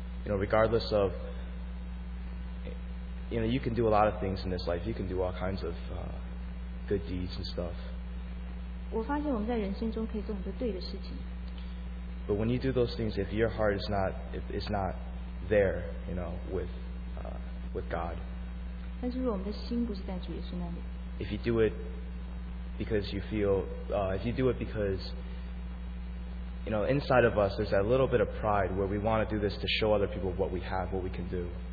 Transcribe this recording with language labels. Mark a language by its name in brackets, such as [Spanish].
[English] You know, regardless of, you know, you can do a lot of things in this life. You can do all kinds of good deeds and stuff. [Chinese] 我发现我们在人生中可以做很多对的事情。 [English] But when you do those things, if your heart is not, if it's not there, you know, with God. [Chinese] 但是如果我们的心不是在主耶稣那里。 [English] If you do it because you feel, if you do it because, you know, inside of us, there's that little bit of pride where we want to do this to show other people what we have, what we can do.